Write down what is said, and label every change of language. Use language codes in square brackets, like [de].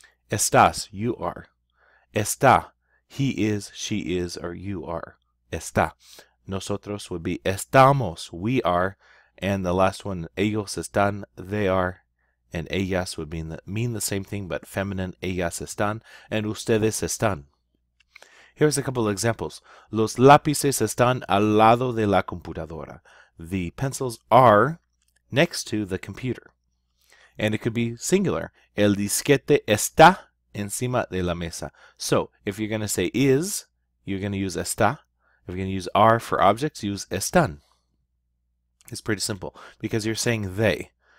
[en] Estás, you are. Está, he is, she is, or you are. Está. Nosotros would be estamos, we are. And the last one, ellos están, they are. And ellas would mean the same thing, but feminine, ellas están, and ustedes están. Here's a couple of examples. [es] Los lápices están al lado de la computadora. [en] The pencils are next to the computer. And it could be singular. El disquete está encima de la mesa. So, if you're going to say is, you're going to use está. If you're going to use are for objects, use están. It's pretty simple, because you're saying they.